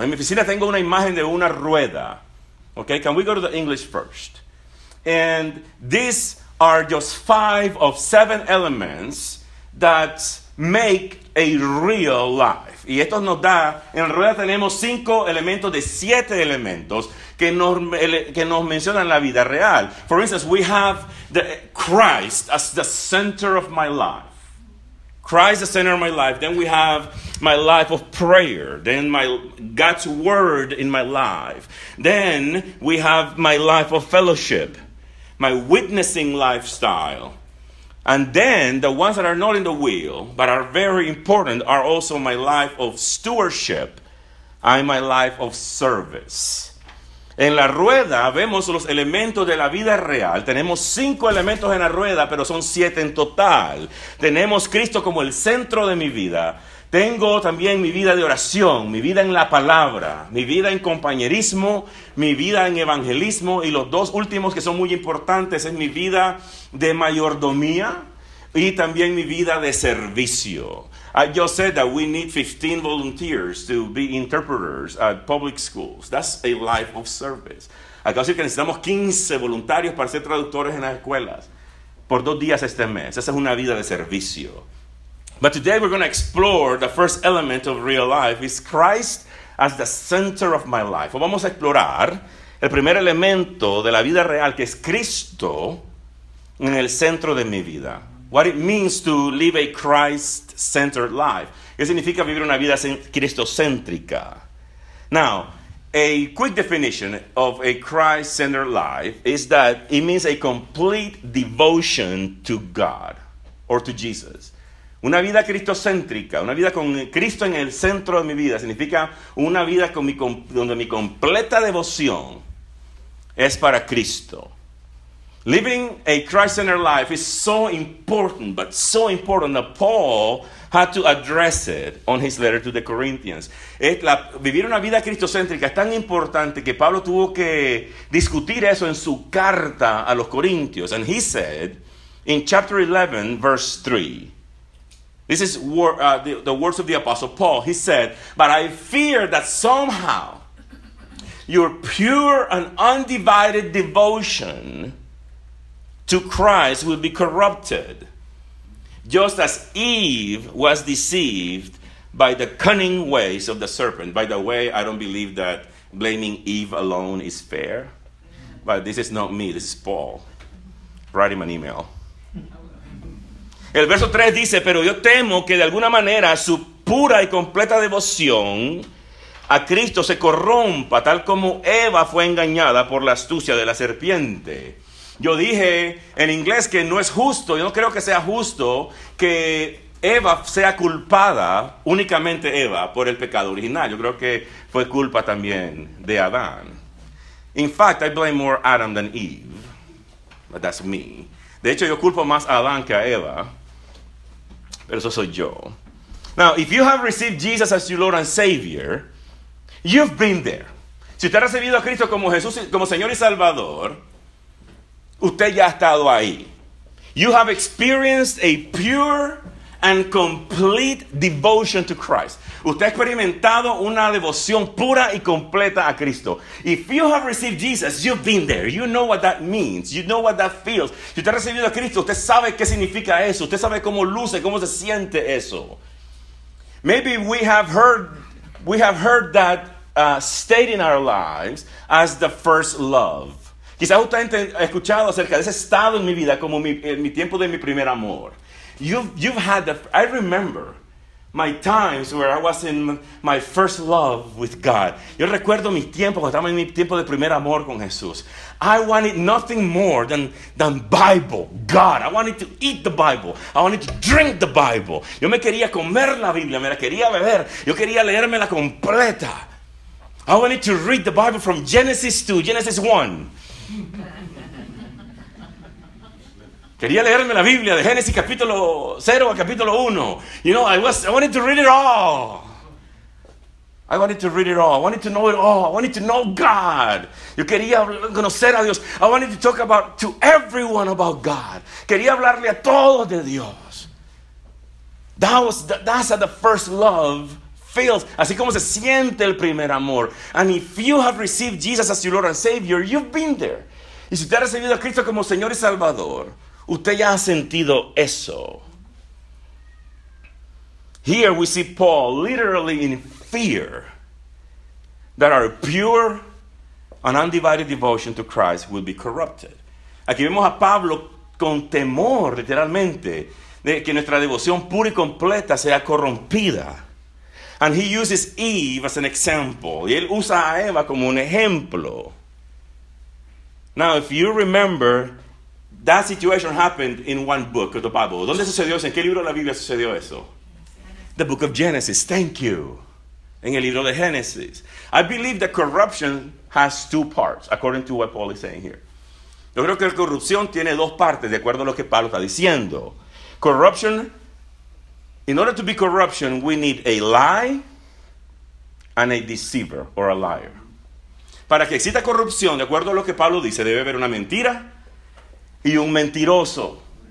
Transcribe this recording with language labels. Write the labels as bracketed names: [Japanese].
[Spanish] En mi oficina tengo una imagen de una rueda. [English] Okay, can we go to the English first? And these are just 5 of 7 elements that make a real life. [Spanish] Y esto nos da, en la rueda tenemos 5 elementos de 7 elementos que nos mencionan la vida real. [English] For instance, we have Christ as the center of my life. Christ the center of my life. Then we have my life of prayer. Then my God's word in my life. Then we have my life of fellowship, my witnessing lifestyle. And then the ones that are not in the wheel, but are very important, are also my life of stewardship and my life of service. [Spanish] En la rueda vemos los elementos de la vida real. Tenemos 5 elementos en la rueda, pero son 7 en total. Tenemos Cristo como el centro de mi vida. Tengo también mi vida de oración, mi vida en la palabra, mi vida en compañerismo, mi vida en evangelismo, y los 2 últimos que son muy importantes es mi vida de mayordomía y también mi vida de servicio. [English] I just said that we need 15 volunteers to be interpreters at public schools. That's a life of service. [Spanish] Acabo de decir que necesitamos 15 voluntarios para ser traductores en las escuelas por 2 días este mes. Esa es una vida de servicio. [English] But today we're going to explore the first element of real life is Christ as the center of my life. [Spanish] Vamos a explorar el primer elemento de la vida real que es Cristo en el centro de mi vida. [English] What it means to live a Christ-centered life. [Spanish] ¿Qué significa vivir una vida cristocéntrica? [English] Now, a quick definition of a Christ-centered life is that it means a complete devotion to God or to Jesus. [Spanish] Una vida cristocéntrica, una vida con Cristo en el centro de mi vida, significa una vida donde mi completa devoción es para Cristo. [English] Living a Christ-centered life is so important, but so important that Paul had to address it on his letter to the Corinthians. [Spanish] Vivir una vida cristocéntrica es tan importante que Pablo tuvo que discutir eso en su carta a los Corintios. [English] And he said, in chapter 11, verse 3, this is the words of the Apostle Paul. He said, but I fear that somehow your pure and undivided devotion to Christ will be corrupted, just as Eve was deceived by the cunning ways of the serpent. By the way, I don't believe that blaming Eve alone is fair, but this is not me, this is Paul. Write him an email. [Spanish] El verso 3 dice, pero yo temo que de alguna manera su pura y completa devoción a Cristo se corrompa, tal como Eva fue engañada por la astucia de la serpiente. Yo dije en inglés que no es justo, yo no creo que sea justo que Eva sea culpada, únicamente Eva, por el pecado original. Yo creo que fue culpa también de Adán. [English] In fact, I blame more Adam than Eve, but that's me. [Spanish] De hecho, yo culpo más a Adán que a Eva, pero eso soy yo. [English] Now, if you have received Jesus as your Lord and Savior, you've been there. [Spanish] Si usted ha recibido a Cristo como Jesús, como Señor y Salvador, usted ya ha estado ahí. [English] You have experienced a pure and complete devotion to Christ. [Spanish] Usted ha experimentado una devoción pura y completa a Cristo. [English] If you have received Jesus, you've been there. You know what that means. You know what that feels. [Spanish] Si usted ha recibido a Cristo, usted sabe qué significa eso. Usted sabe cómo luce, cómo se siente eso. [English] Maybe we have heard that state in our lives as the first love. [Spanish] Quizás usted ha escuchado acerca de ese estado en mi vida como mi tiempo de mi primer amor. [English] I remember my times where I was in my first love with God. [Spanish] Yo recuerdo mis tiempos cuando estaba en mi tiempo de primer amor con Jesús. [English] I wanted nothing more than Bible, God. I wanted to eat the Bible. I wanted to drink the Bible. [Spanish] Yo me quería comer la Biblia, me la quería beber. Yo quería leérmela completa. [English] I wanted to read the Bible from Genesis to Genesis 1. [Spanish] Quería leerme la Biblia de Génesis capítulo 0 a capítulo 1. [English] You know, I wanted to read it all. I wanted to read it all. I wanted to know it all. I wanted to know God. [Spanish] Yo quería conocer a Dios. [English] I wanted to talk to everyone about God. [Spanish] Quería hablarle a todos de Dios. [English] That's how the first love feels. [Spanish] Así como se siente el primer amor. [English] And if you have received Jesus as your Lord and Savior, you've been there. [Spanish] Y si usted ha recibido a Cristo como Señor y Salvador, usted ya ha sentido eso. [English] Here we see Paul literally in fear that our pure and undivided devotion to Christ will be corrupted. [Spanish] Aquí vemos a Pablo con temor, literalmente, de que nuestra devoción pura y completa sea corrompida. [English] And he uses Eve as an example. [Spanish] Y él usa a Eva como un ejemplo. [English] Now, if you remember, that situation happened in one book of the Bible. [Spanish] ¿Dónde sucedió eso? ¿En qué libro de la Biblia sucedió eso? [English] The book of Genesis. Thank you. [Spanish] En el libro de Génesis. [English] I believe that corruption has two parts, according to what Paul is saying here. [Spanish] Yo creo que la corrupción tiene dos partes, de acuerdo a lo que Pablo está diciendo. [English] Corruption, in order to be corruption, we need a lie and a deceiver or a liar. [Spanish] Para que exista corrupción, de acuerdo a lo que Pablo dice, debe haber una mentira y un mentiroso.